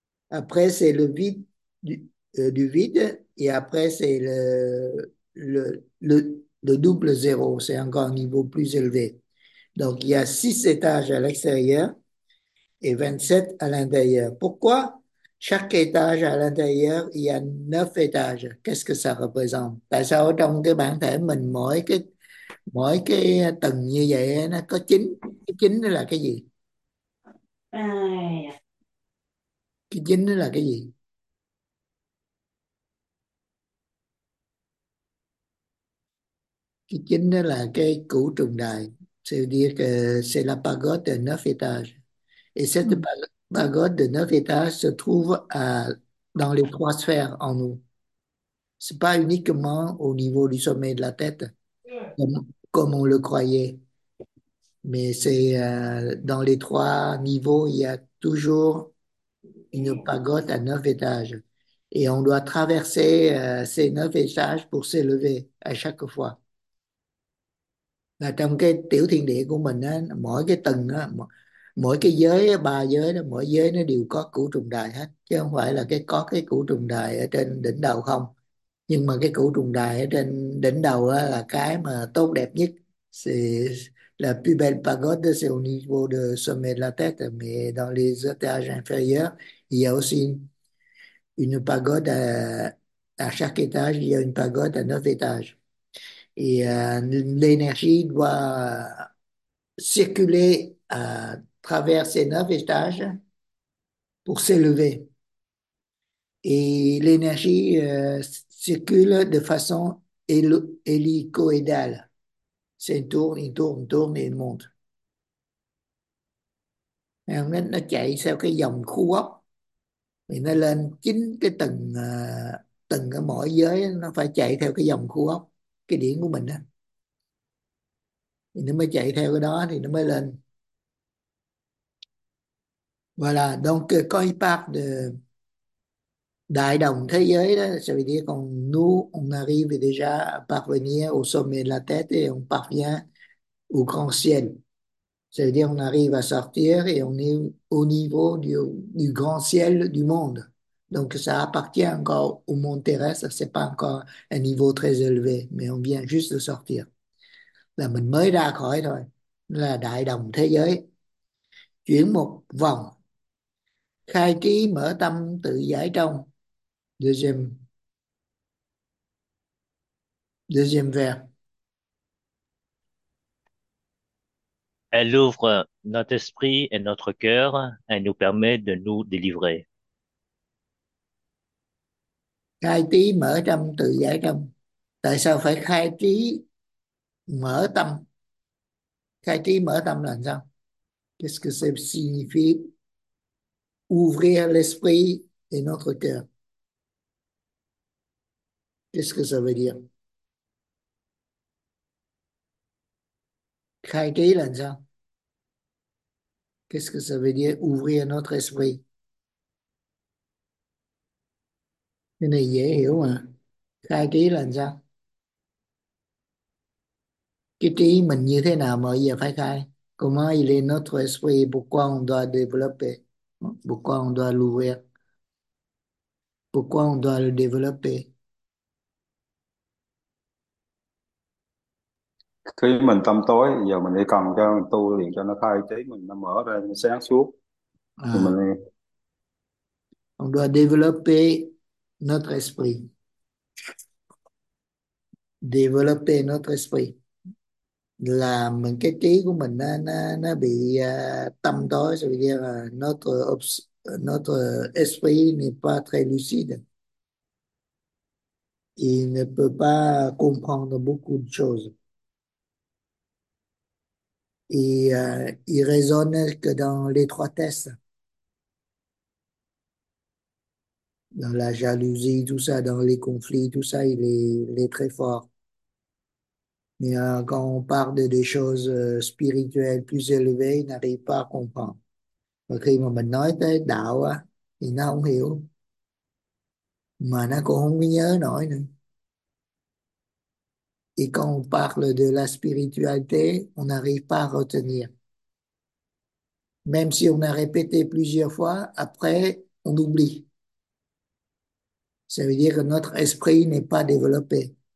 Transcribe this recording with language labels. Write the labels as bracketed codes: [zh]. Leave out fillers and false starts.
[fr] Après, c'est le vide du vide. Et après, c'est le double zéro. C'est encore un niveau plus élevé. Donc, il y a 6 étages à l'extérieur et 27 à l'intérieur. Pourquoi chaque étage à l'intérieur, il y a 9 étages? Qu'est-ce que ça représente? [vi] Tại sao trong cái bản thể mình, mỗi cái tầng như vậy, nó có chín? Cái chín đó là cái gì? Cái chính đó là cái gì? Cái chính đó là cái cửu trùng đài. [fr] C'est la pagode de 9 étages. Et cette pagode de 9 étages se trouve dans les 3 sphères en nous. Ce n'est pas uniquement au niveau du sommet de la tête, comme on le croyait. Mais c'est dans les 3 niveaux, il y a toujours une pagode à 9 étages. Et on doit traverser ces 9 étages pour s'élever à chaque fois. [vi] Là trong cái tiểu thiên địa của mình á, mỗi cái tầng á, mỗi cái giới, 3 giới đó, mỗi giới nó đều có cửu trùng đài hết, chứ không phải là có cái cửu trùng đài ở trên đỉnh đầu không. Nhưng mà cái cửu trùng đài ở trên đỉnh đầu á, là cái mà tốt đẹp nhất. [fr] C'est la plus belle pagode, c'est au niveau du sommet de la tête, mais dans les étages inférieurs, il y a aussi une pagode à chaque étage, il y a une pagode à 9 étages. Et l'énergie doit circuler à travers ces 9 étages pour s'élever. Et l'énergie circule de façon hélicoïdale. C'est tourne, il tourne, tourne et il monte. [vi] Nó chạy theo cái dòng khu óc. Thì nó lên 9 cái tầng, tầng ở mỗi giới nó phải chạy theo cái dòng khu óc, cái điển của mình á, thì nó mới chạy theo cái đó thì nó mới lên. [fr] Voilà, donc [vi] có [fr] une part de Đại đồng thế giới [vi] đó sẽ bị đi còn [fr] nous on arrive déjà à parvenir au sommet de la tête et on parvient au grand ciel. C'est-à-dire on arrive à sortir et on est au niveau du grand ciel du monde. Donc ça appartient encore au monde terrestre, c'est pas encore un niveau très élevé, mais on vient juste de sortir. [vi] Là mình mới ra khỏi thôi, là đại đồng thế giới. Chuyển một vòng, khai trí mở tâm tự giải trong. [fr] Deuxième vers. Elle ouvre notre esprit et notre cœur, elle nous permet de nous délivrer. [vi] Khai trí mở tâm tự giải trong. Tại sao phải khai trí mở tâm? Khai trí mở tâm là sao? [fr] Qu'est-ce que ça signifie? Ouvrir l'esprit et notre cœur. Qu'est-ce que ça veut dire? [vi] Khai trí là sao? [fr] Qu'est-ce que ça veut dire ouvrir notre esprit? [vi] Cái này dễ hiểu mà. Khai trí là sao? Cái trí mình như thế nào mọi giờ phải khai? [fr] Comment il est notre esprit? Pourquoi on doit développer? Pourquoi on doit l'ouvrir? Pourquoi on doit le développer? [vi] Khi mình tâm tối, giờ mình đi cần cho mình tu liền cho nó khai trí mình, nó mở ra, nó sáng suốt. Thì À, mình [fr] on doit développer notre esprit. Développer notre esprit [vi] là mình cái trí của mình nó bị tâm tối, rồi bây giờ là [fr] notre esprit n'est pas très lucide. Il ne peut pas comprendre beaucoup de choses. Il raisonne que dans l'étroitesse, dans la jalousie, tout ça, dans les conflits, tout ça, il est très fort. Mais quand on parle de des choses spirituelles plus élevées, il n'arrive pas à comprendre. [vi] Và khi mà mình nói tới đạo á, thì nó không hiểu. Mà nó cũng không có nhớ nổi nữa. [fr] Et quand on parle de la spiritualité, on n'arrive pas à retenir. Même si on a répété plusieurs fois, après, on oublie. Ça veut dire que notre esprit n'est pas développé.